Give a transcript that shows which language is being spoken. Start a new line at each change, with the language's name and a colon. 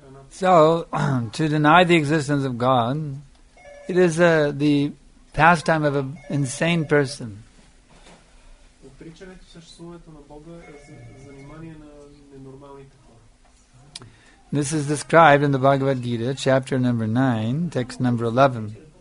English: So, to deny the existence of God, it is the pastime of an insane person.
Bulgarian: Пречането съществуването на Бога е занимание на ненормалните хора.
English: This is described in the Bhagavad Gita, chapter number 9, text number 11.